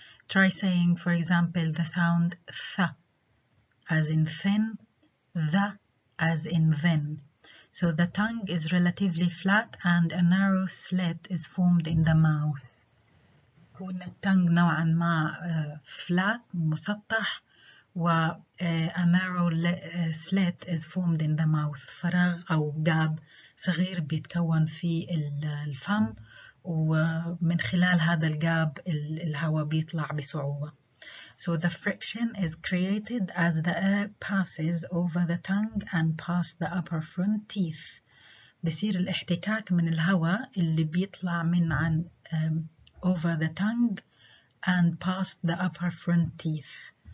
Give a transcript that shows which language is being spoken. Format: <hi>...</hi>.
<en>Try saying, for example, the sound th as in thin, th as in then. So the tongue is relatively flat and a narrow slit is formed in the mouth. يكون التونغ نوعا ما flat, مسطح, و a narrow slit is formed in the mouth.</en> <ar>فراغ أو gap صغير بيتكون في الفم, ومن خلال هذا الجاب الهواء بيطلع بصعوبة.</ar> <en>So the friction is created as the air passes over the tongue and past the upper front teeth. بصير الاحتكاك من الهواء اللي بيطلع من عن over the tongue and past the upper front teeth.</en>